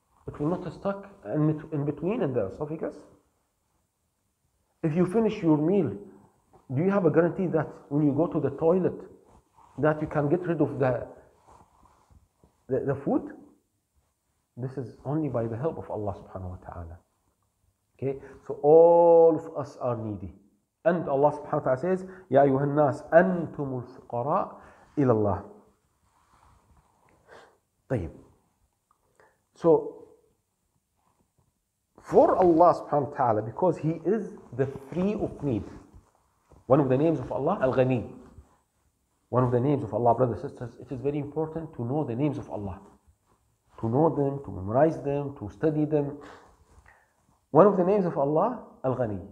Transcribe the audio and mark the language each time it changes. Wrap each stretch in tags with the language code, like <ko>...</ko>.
<en>It will not stuck in between in the esophagus? If you finish your meal, do you have a guarantee that when you go to the toilet, that you can get rid of the food? This is only by the help of Allah subhanahu wa ta'ala. Okay, so all of us are needy. And Allah subhanahu wa ta'ala says,</en> <ar>يَا أَيُّهَا النَّاسِ أَنْتُمُ الْفُقَرَاءِ إِلَى اللَّهِ طيب.</ar> <en>So, for Allah subhanahu wa ta'ala, because He is the free of need, one of the names of Allah, Al-Ghani. One of the names of Allah, brothers and sisters, it is very important to know the names of Allah. To know them, to memorize them, to study them. One of the names of Allah, Al-Ghani.</en>